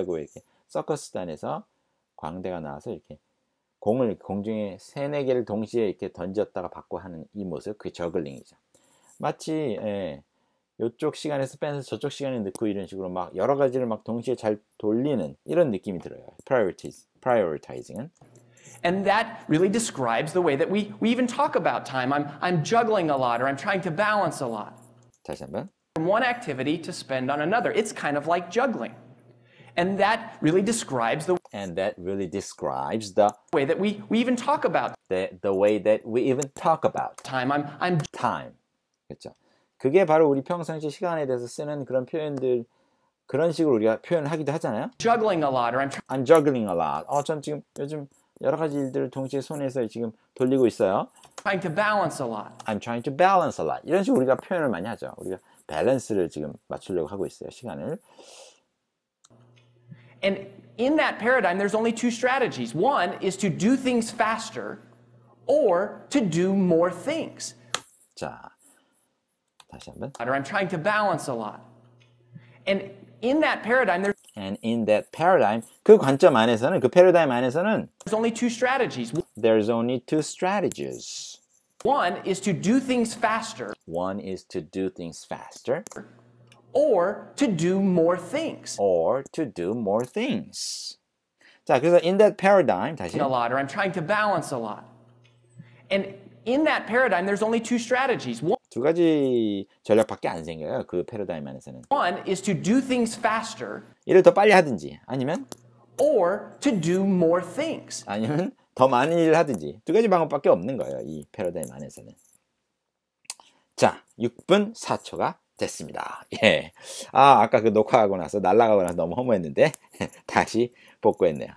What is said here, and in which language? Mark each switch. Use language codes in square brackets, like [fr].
[ko] 이렇게 서커스단에서 광대가 나와서 이렇게 공을 공중에 세네 개를 동시에 이렇게 던졌다가 받고 하는 이 모습, 그게 저글링이죠. 마치 예, 이쪽 시간에서 빼서 저쪽 시간에 넣고 이런 식으로 막 여러 가지를 막 동시에 잘 돌리는 이런 느낌이 들어요. [en] Prioritizing은. And that really describes the way that we even talk about time. I'm juggling a lot, or I'm trying to balance a lot. [ko] 다시 한번. [en] From one activity to spend on another, it's kind of like juggling. And that really describes the And that really describes the way that we even talk about the way that we even talk about time. I'm [ko] time. 그렇죠. 그게 바로 우리 평상시 시간에 대해서 쓰는 그런 표현들 그런 식으로 우리가 표현을 하기도 하잖아요. [en] Juggling a lot, or I'm juggling a lot. [ko] 어, 전 지금 요즘 여러 가지 일들을 동시에 손에서 지금 돌리고 있어요. [en] Trying to balance a lot. I'm trying to balance a lot. [ko] 이런 식으로 우리가 표현을 많이 하죠. 우리가 밸런스를 지금 맞추려고 하고 있어요. 시간을. [en] And in that paradigm, there's only two strategies. One is to do things faster or to do more things. [ko] 자, 다시 한번. [en] I'm trying to balance a lot. And in that paradigm, there's And in that paradigm, [ko] 그 관점 안에서는, 그 패러다임 안에서는 [en] There's only two strategies. There's only two strategies. One is to do things faster. One is to do things faster. Or to do more things. Or to do more things. [ko] 자, 그래서 [en] in that paradigm, [ko] 다시. [en] A lot, or I'm trying to balance a lot. And in that paradigm, there's only two strategies. One, [ko] 두 가지 전략밖에 안 생겨요, 그 패러다임 안에서는. [en] One is to do things faster. [ko] 일을 더 빨리 하든지, 아니면. [en] Or to do more things. [ko] 아니면 더 많은 일을 하든지. 두 가지 방법밖에 없는 거예요, 이 패러다임 안에서는. 자, 6분 4초가. 됐습니다. 예. 아, 아까 그 녹화하고 나서 날아가고 나서 너무 허무했는데 다시 복구했네요.